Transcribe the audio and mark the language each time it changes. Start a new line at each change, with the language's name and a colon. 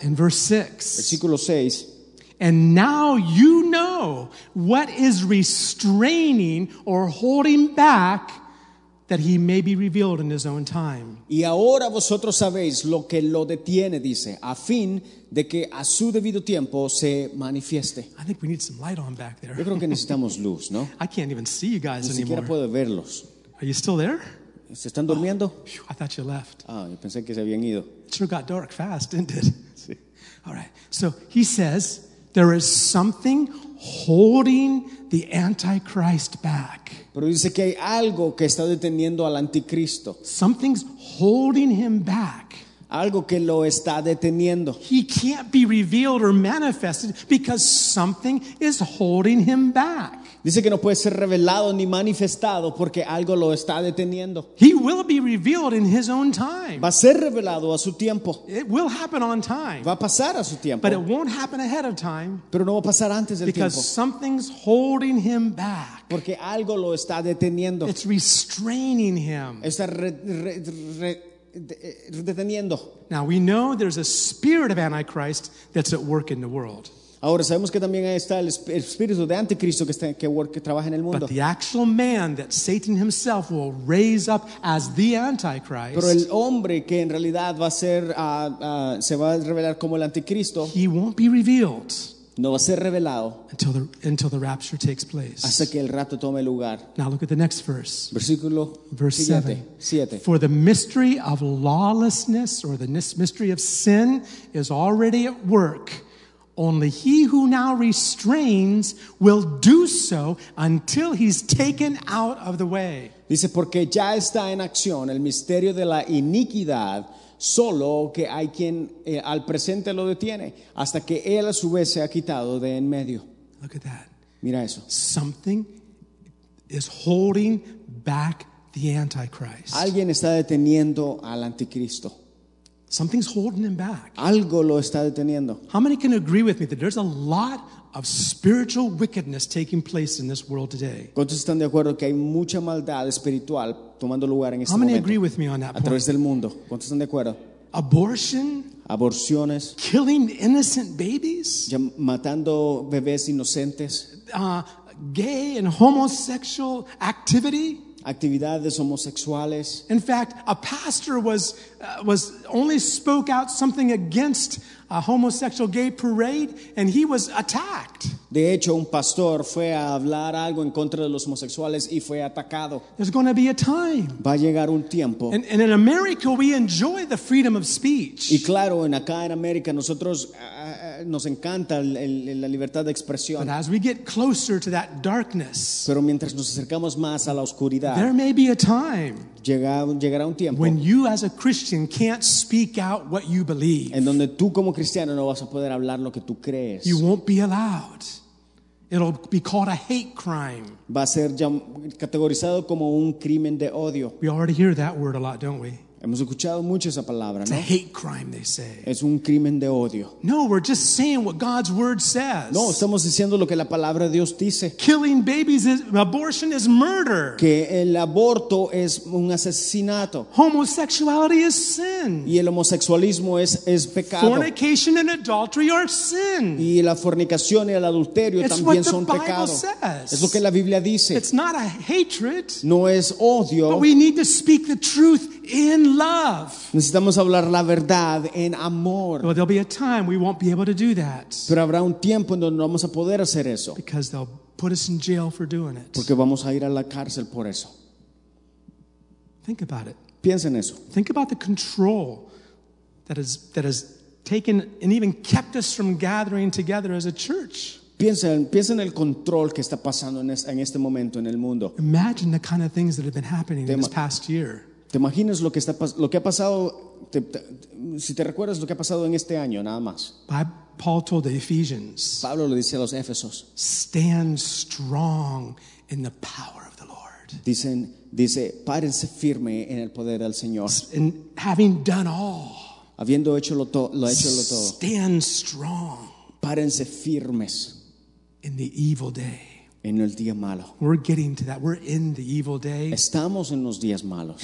English: In verse 6.
Spanish: Versículo 6.
English: And now you know what is restraining or holding back that he may be revealed in his own time.
Spanish: Y ahora vosotros sabéis lo que lo detiene, dice, a fin de que a su debido tiempo se manifieste.
English: I think we need some light on back there.
Spanish: Yo creo que necesitamos luz, ¿no?
English: I can't even see you guys anymore.
Spanish: Ni siquiera puedo verlos.
English: Are you still there?
Spanish: ¿Se están durmiendo?
English: Oh, I thought you left.
Spanish: Ah, yo pensé que se habían ido.
English: It sure got dark fast, didn't it?
Spanish: Sí.
English: All right. So he says, there is something holding the Antichrist back.
Spanish: Pero dice que hay algo que está deteniendo al anticristo.
English: Something's holding him back.
Spanish: Algo que lo está deteniendo.
English: He can't be revealed or manifested because something is holding him back.
Spanish: Dice que no puede ser revelado ni manifestado porque algo lo está deteniendo.
English: He will be revealed in his own time.
Spanish: Va a ser revelado a su tiempo.
English: It will happen on time.
Spanish: Va a pasar a su tiempo.
English: But it won't happen ahead of time.
Spanish: Pero no va a pasar antes del
English: because Because something's holding him back.
Spanish: Porque algo lo está deteniendo.
English: It's restraining him.
Spanish: Está deteniendo.
English: Now we know there's a spirit of Antichrist that's at work in the world.
Spanish: Ahora sabemos que también está el espíritu de anticristo que trabaja en el mundo.
English: But the actual man that Satan himself will raise up as the Antichrist.
Spanish: Pero el hombre que en realidad va a ser se va a revelar como el anticristo.
English: He won't be revealed.
Spanish: No va a ser revelado
English: until the rapture takes place.
Spanish: Hasta que el rapto tome lugar.
English: Now look at the next verse.
Spanish: Versículo
English: verse 7. For the mystery of lawlessness or the mystery of sin is already at work. Only he who now restrains will do so until he's taken out of the way.
Spanish: Dice, porque ya está en acción el misterio de la iniquidad, solo que hay quien al presente lo detiene, hasta que él a su vez se ha quitado de en medio.
English: Look at that.
Spanish: Mira eso.
English: Something is holding back the Antichrist.
Spanish: Alguien está deteniendo al anticristo.
English: Something's holding him back.
Spanish: Algo lo está deteniendo.
English: How many can agree with me that there's a lot of spiritual wickedness taking place in this world today?
Spanish: ¿Cuántos están de acuerdo que hay mucha maldad espiritual tomando lugar en este momento?
English: How many agree with me on that point?
Spanish: A través del mundo. ¿Cuántos están de acuerdo?
English: Abortion.
Spanish: Aborciones.
English: Killing innocent babies.
Spanish: Matando bebés inocentes.
English: Gay and homosexual activity.
Spanish: Actividades homosexuales.
English: In fact, a pastor was only spoke out something against a homosexual gay parade, and he was attacked.
Spanish: De hecho, un pastor fue a hablar algo en contra de los homosexuales y fue atacado.
English: There's going to be a time.
Spanish: Va a llegar un tiempo.
English: And in America, we enjoy the freedom of speech.
Spanish: Y claro, acá en América nosotros nos encanta la libertad de expresión.
English: But as we get closer to that darkness,
Spanish: pero mientras nos acercamos más a la oscuridad,
English: there may be a time.
Spanish: Llegará un tiempo.
English: When you as a Christian can't speak out what you believe.
Spanish: En donde tú como cristiano no vas a poder hablar lo que tú crees.
English: You won't be allowed. It'll be called a hate crime.
Spanish: Va a ser categorizado como un crimen de odio.
English: We already hear that word a lot, don't we?
Spanish: Hemos escuchado mucho esa palabra, ¿no?
English: It's a hate crime, they say.
Spanish: Es un crimen de odio.
English: No, we're just saying what God's word says.
Spanish: No, estamos diciendo lo que la palabra de Dios dice.
English: Killing babies is abortion is murder.
Spanish: Que el aborto es un asesinato.
English: Homosexuality is sin.
Spanish: Y el homosexualismo es pecado.
English: Fornication and adultery are sin.
Spanish: Y la fornicación y el adulterio
English: it's
Spanish: también son
English: Bible
Spanish: pecado.
English: Says.
Spanish: Es lo que la Biblia dice.
English: It's not a hatred.
Spanish: No es odio.
English: But we need to speak the truth in love.
Spanish: Necesitamos hablar la verdad en amor.
English: Well, there'll be a time we won't be able to do that.
Spanish: Pero habrá un tiempo en donde no vamos a poder hacer eso.
English: Because they'll put us in jail for doing it.
Spanish: Porque vamos a ir a la cárcel por eso.
English: Think about it.
Spanish: Piensa en eso.
English: Think about the control that has taken and even kept us from gathering together as a church.
Spanish: Piensa en el control que está pasando en este momento en el mundo.
English: Imagine the kind of things that have been happening in this past year.
Spanish: ¿Te imaginas lo que ha pasado? Si te recuerdas lo que ha pasado en este año, nada más.
English: Paul told the Ephesians,
Spanish: Pablo le dice a los Éfesos,
English: stand strong in the power of the Lord.
Spanish: Dice, párense firme en el poder del Señor.
English: And having done all,
Spanish: habiendo hecho lo hecho todo,
English: stand strong.
Spanish: Párense firmes.
English: In the evil day.
Spanish: En el día malo.
English: We're getting to that. We're in the evil day.
Spanish: Estamos en los días malos.